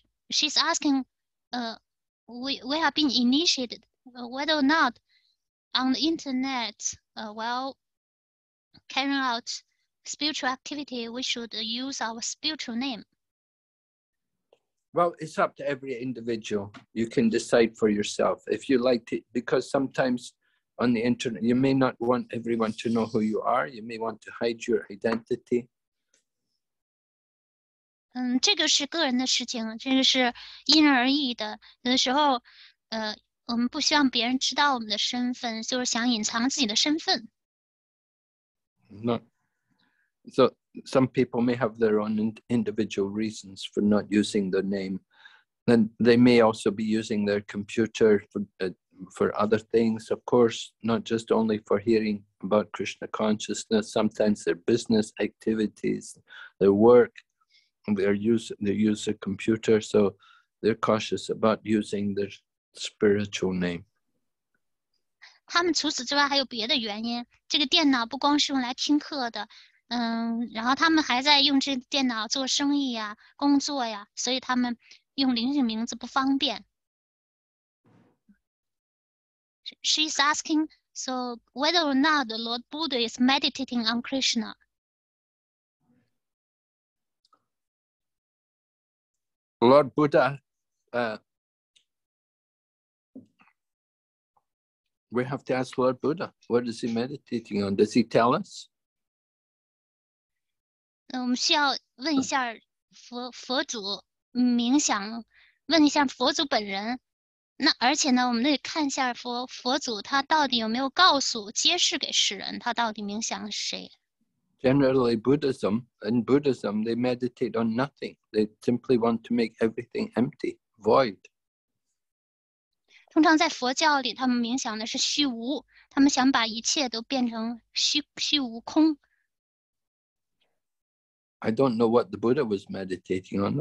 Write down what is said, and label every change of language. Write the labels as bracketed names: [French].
[English] She's asking, we have been initiated, whether or not on the internet, while carrying out spiritual activity, we should use our spiritual name. Well, it's up to every individual. You can decide for yourself if you like to, because sometimes on the internet, you may not want everyone to know who you are. You may want to hide your identity. [Chinese] 这个是个人的事情，这个是因人而异的。有的时候，我们不希望别人知道我们的身份，就是想隐藏自己的身份。 [English] No. So. Some people may have their own individual reasons for not using their name. Then they may also be using their computer for other things, of course, not just only for hearing about Krishna consciousness, sometimes their business activities, their work, they use a computer, so they're cautious about using their spiritual name. [Chinese] 他们除此之外还有别的原因，这个电脑不光是用来听课的，然后他们还在用这电脑做生意呀，工作呀，所以他们用灵性名字不方便。 [English] She's asking, so whether or not the Lord Buddha is meditating on Krishna? Lord Buddha, we have to ask Lord Buddha, what is he meditating on? Does he tell us? [Chinese] 我们需要问一下佛祖冥想，问一下佛祖本人。那而且呢，我们得看一下佛祖他到底有没有告诉揭示给世人，他到底冥想谁。 [English] Generally, in Buddhism, they meditate on nothing. They simply want to make everything empty, void. [Chinese] 通常在佛教里，他们冥想的是虚无，他们想把一切都变成虚无空。 [English] I don't know what the Buddha was meditating on.